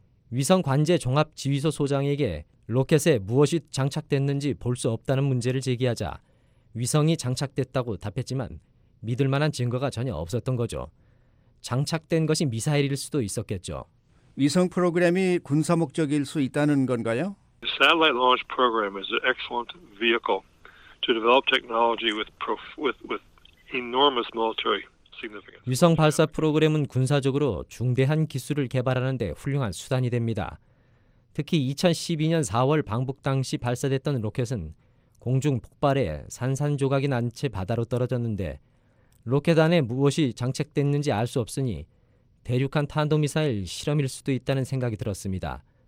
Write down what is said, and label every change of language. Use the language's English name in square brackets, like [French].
[Korean] 위성 관제 종합 지휘소 소장에게 로켓에 무엇이 장착됐는지 볼 수 없다는 문제를 제기하자 위성이 장착됐다고 답했지만 믿을 만한 증거가 전혀 없었던 거죠. 장착된 것이 미사일일 수도 있었겠죠. 위성 프로그램이 군사 목적일 수 있다는 건가요? [English] The satellite launch program is an excellent vehicle to develop technology with enormous military significance. [Korean] 위성 발사 프로그램은 군사적으로 중대한 기술을 개발하는 데 훌륭한 수단이 됩니다. 특히 2012년 4월 방북 당시 발사됐던 로켓은 공중 폭발에 산산조각이 난 채 바다로 떨어졌는데 로켓 안에 무엇이 장착됐는지 알 수 없으니 대륙간 탄도미사일 실험일 수도 있다는 생각이 들었습니다.